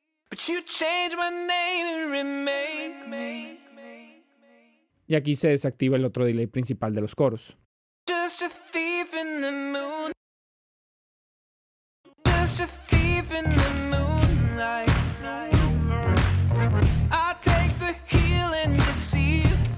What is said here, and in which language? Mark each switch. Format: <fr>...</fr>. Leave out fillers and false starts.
<en>But you change my name and remake me.</en> <es>Y aquí se desactiva el otro delay principal de los coros.</es> <en>Just a thief in the moon. Just a thief in the moonlight. I take the heel and deceive.</en>